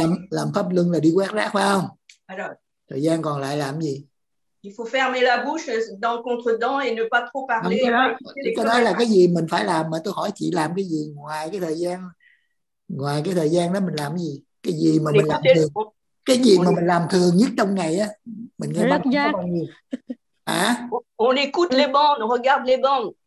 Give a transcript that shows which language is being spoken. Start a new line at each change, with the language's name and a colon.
Vietnamese: Làm pháp luân là đi quét rác phải không?
French: Alors,
Vietnamese: thời gian còn lại làm gì?
French: Il faut fermer la bouche dans contre dents et ne pas trop parler.
Vietnamese: Không, cái đó là cái gì mình phải làm, mà tôi hỏi chị làm cái gì ngoài cái thời gian đó mình làm cái gì? Cái gì mà mình làm thường? Cái gì mà mình làm thường nhất trong ngày á? Mình nghe bác nói bao nhiêu? Hả?
French: On écoute les bandes, on regarde les bandes.